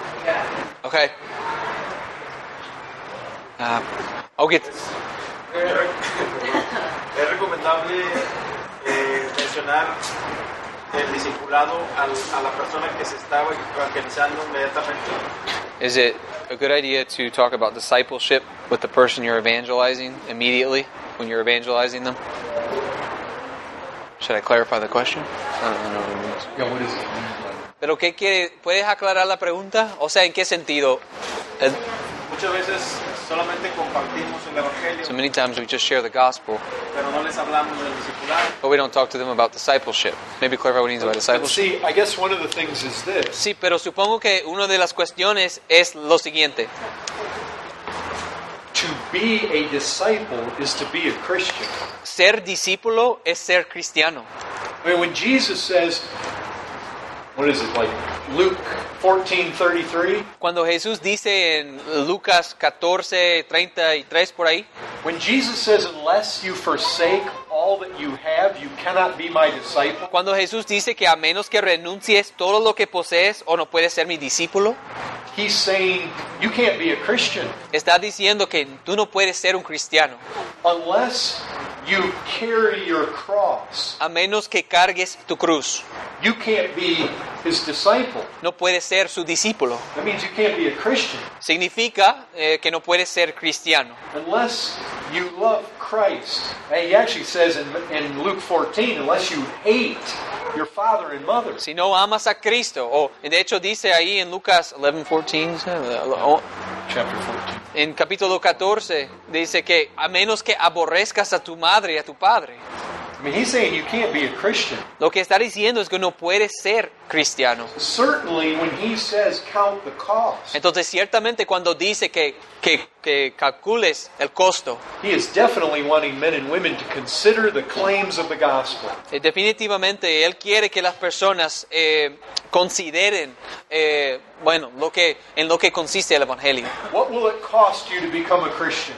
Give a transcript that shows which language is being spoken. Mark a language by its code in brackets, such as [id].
[en] Yeah. Okay. I'll get [es] es recomendable mencionar el discipulado a la persona que se está evangelizando inmediatamente. [en] Is it a good idea to talk about discipleship with the person you're evangelizing immediately when you're evangelizing them? Should I clarify the question? I don't know what it means. Yeah, what is it? [es] Pero qué quiere, ¿puedes aclarar la pregunta? O sea, ¿en qué sentido? Muchas veces solamente compartimos el evangelio. [en] So many times we just share the gospel. [es] Pero no les hablamos del discipulado. [en] But we don't talk to them about discipleship. Maybe clarify what it means by discipleship. See, I guess one of the things is this. [es] Sí, pero supongo que una de las cuestiones es lo siguiente. [en] To be a disciple is to be a Christian. [es] Ser discípulo es ser cristiano. [en] I mean, when Jesus says, what is it like? Luke 14:33. [es] Cuando Jesús dice en Lucas 14:33 por ahí. [en] When Jesus says, unless you forsake all that you have, you cannot be my disciple. [es] Cuando Jesús dice que a menos que renuncies todo lo que posees o no puedes ser mi discípulo. [en] He's saying you can't be a Christian. [es] Está diciendo que tú no puedes ser un cristiano. [en] Unless you carry your cross. [es] A menos que cargues tu cruz. [en] You can't be his disciple. [es] No puedes ser su discípulo. [en] That means you can't be a Christian. [es] Significa que no puedes ser cristiano. [en] Unless you love Christ. And he actually says in Luke 14, unless you hate your father and mother. [es] Si no amas a Cristo. Oh, de hecho dice ahí en Lucas 11:14. [en] Chapter 14. [es] En capítulo 14 dice que a menos que aborrezcas a tu madre y a tu padre. [en] I mean, he's saying you can't be a Christian. [es] Lo que está diciendo es que no puedes ser cristiano. [en] Certainly when he says count the cost. [es] Entonces ciertamente cuando dice que calcules el costo. [en] He is definitely wanting men and women to consider the claims of the gospel. [es] Definitivamente él quiere que las personas consideren bueno, en lo que consiste el evangelio. [en] What will it cost you to become a Christian?